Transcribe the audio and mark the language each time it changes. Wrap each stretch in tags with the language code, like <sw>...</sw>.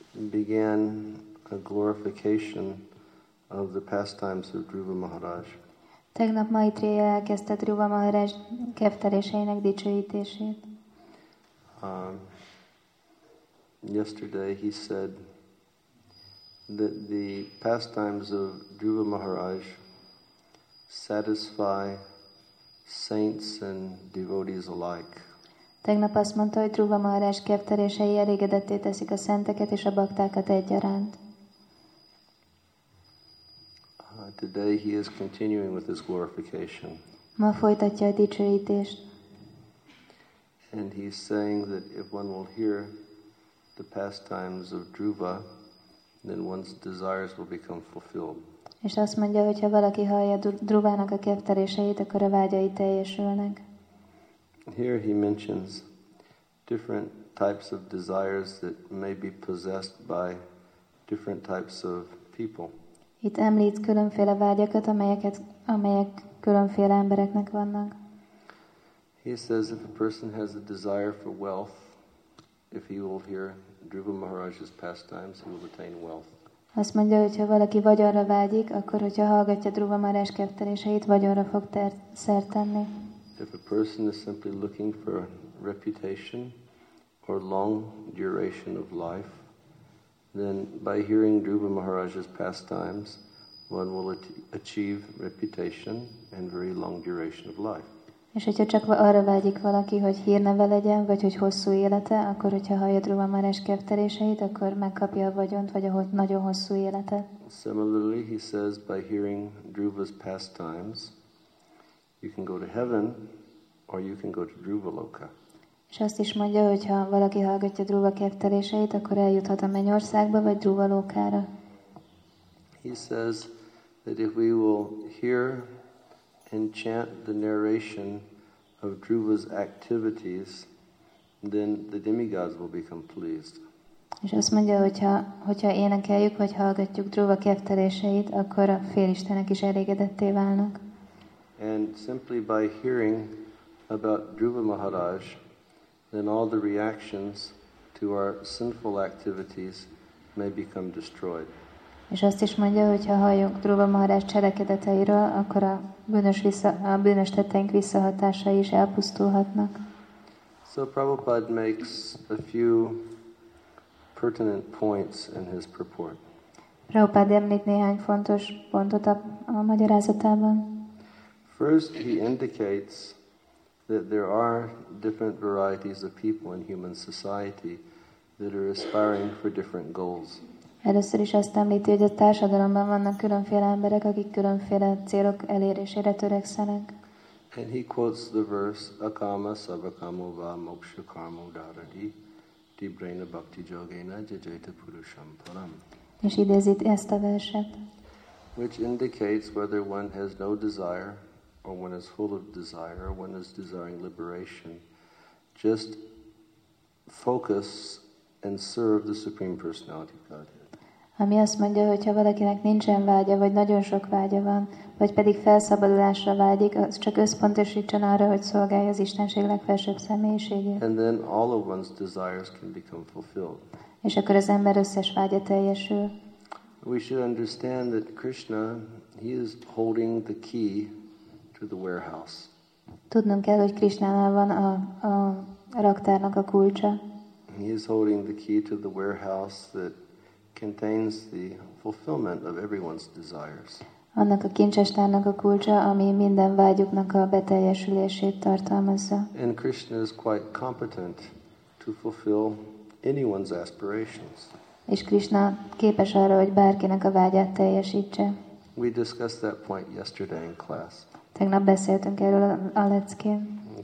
<en>began a glorification of the pastimes of Dhruva Maharaj.</en> <hu>Tegnap Maitreya elkezdte Dhruva Maharaj kefteléseinek dicsőítését.</hu> <en>Yesterday he said that the pastimes of Dhruva Maharaj satisfy saints and devotees alike.</en> <hu>Tegnap azt mondta, hogy Dhruva Maharaj kefterései elégedetté teszik a szenteket és a baktákat egyaránt.</hu> <en>Today he is continuing with his glorification.</en> <hu>Ma folytatja a dicsőítést.</hu> <en>And he's saying that if one will hear the pastimes of Dhruva, then one's desires will become fulfilled.</en> <hu>És azt mondja, hogy ha valaki hallja Dhruvának a kefteléseit, akkor a vágyai teljesülnek.</hu> <en>Here he mentions different types of desires that may be possessed by different types of people.</en> <hu>Itt említ különféle vágyakat, amelyek különféle embereknek vannak.</hu> <en>He says if a person has a desire for wealth, if he will hear Dhruva Maharaj's pastimes, he will attain wealth.</en> <hu>Azt mondja, hogy ha valaki vagyonra vágyik, akkor hogyha hallgatja Dhruva Maharaj kefteléseit, vagyonra fog szert tenni.</hu> <en>If a person is simply looking for reputation or long duration of life, then by hearing Dhruva Maharaj's pastimes, one will achieve reputation and very long duration of life.</en> <hu>És hogyha csak arra vágyik valaki, hogy hírneve legyen, vagy hogy hosszú élete, akkor hogyha hallja Dhruva Maharaj kefteléseit, akkor megkapja a vagyont, vagy a nagyon hosszú élete.</hu> <en>Similarly, he says, by hearing Dhruva's pastimes, you can go to heaven, or you can go to Dhruva Loka.</en> <hu>És azt is mondja, hogy ha valaki hallgatja Dhruva kefteléseit, akkor eljuthat a mennyországba vagy Dhruva Lókára.</hu> <en>He says that if we will hear and chant the narration of Dhruva's activities, then the demigods will become pleased.</en> <hu>És azt mondja, hogyha énekeljük vagy hallgatjuk Dhruva kefteléseit, akkor a félistenek is elégedetté válnak.</hu> <en>And simply by hearing about Dhruva Maharaj, then all the reactions to our sinful activities may become destroyed.</en> <hu>És azt is mondja, hogy ha halljuk Dhruva Maharaj cselekedeteiről, akkor a bűnös tetteink visszahatásai is elpusztulhatnak.</hu> <en>So Prabhupada makes a few pertinent points in his purport.</en> <hu>Prabhupada említ néhány fontos pontot a magyarázatában.</hu> <en>First, he indicates that there are different varieties of people in human society that are aspiring for different goals.</en> <hu>Először is azt említi, hogy a társadalomban vannak különféle emberek, akik különféle célok elérésére törekszenek.</hu> <en>And he quotes the verse</en> <sa>akama savakamo va moksha karma udarati tibrena bhakti jogena jajaita purusham param.</sa> <hu>És idézi ezt a verset.</hu> <en>Which indicates whether one has no desire or one is full of desire, or one is desiring liberation, just focus and serve the Supreme Personality of Godhead.</en> <hu>Ami azt mondja, hogyha valakinek nincsen vágya, vagy nagyon sok vágya van, vagy pedig felszabadulásra vágyik, az csak összpontosítson arra, hogy szolgálja az Istenség legfelsőbb személyiségét.</hu> <en>And then all of one's desires can become fulfilled.</en> <hu>És akkor az ember összes vágya teljesül.</hu> <en>We should understand that Krishna, he is holding the key to the warehouse.</en> <hu>Tudnunk kell, hogy Krisnánál van a raktárnak a kulcsa.</hu> <en>He is holding the key to the warehouse that contains the fulfillment of everyone's desires.</en> <hu>Annak a kincstárnak a kulcsa, ami minden vágyuknak a beteljesülését tartalmazza.</hu> <en>And Krishna is quite competent to fulfill anyone's aspirations.</en> <hu>És Krishna képes arra, hogy bárkinek a vágyát teljesítse.</hu> <en>We discussed that point yesterday in class.</en> <hu>Tegnap beszéltünk erről a leckén.</hu>